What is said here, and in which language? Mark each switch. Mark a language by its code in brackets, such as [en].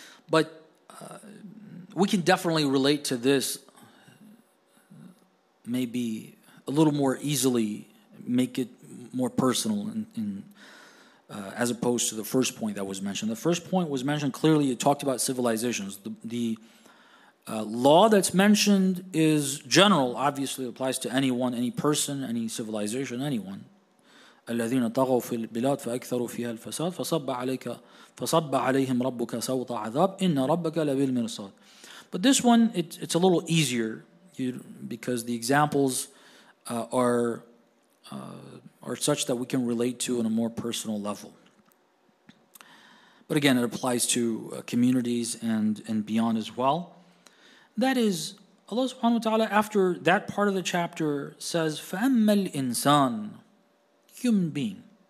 [en] But we can definitely relate to this maybe a little more easily, make it more personal as opposed to the first point that was mentioned. The first point was mentioned clearly, it talked about civilizations. Law that's mentioned is general, obviously applies to anyone, any person, any civilization, anyone. [ar] الَّذِينَ طَغَوْا فِي الْبِلَادِ فَأَكْثَرُوا فِيهَا الْفَسَادِ فَصَبَّ عَلَيْهِمْ رَبُّكَ سَوْطَ عَذَابٍ إِنَّ رَبَّكَ لَبِالْمِرْصَادِ. [en] But this one, it's a little easier because the examples are such that we can relate to on a more personal level. But again, it applies to communities and beyond as well. That is, Allah subhanahu wa ta'ala, after that part of the chapter, says, [ar] فَأَمَّا الْإِنسَانِ [en] Human being.